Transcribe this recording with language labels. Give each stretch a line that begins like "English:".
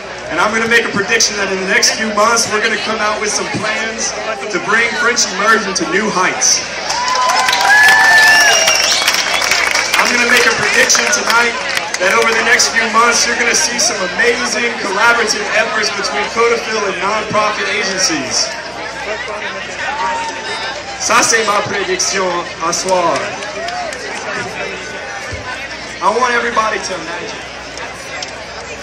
English: And I'm gonna make a prediction that in the next few months, we're gonna come out with some plans to bring French immersion to new heights. I'm gonna make a prediction tonight that over the next few months, you're gonna see some amazing collaborative efforts between CODOFIL and nonprofit agencies.
French: Ça, c'est ma prédiction à soir.
English: I want everybody to imagine.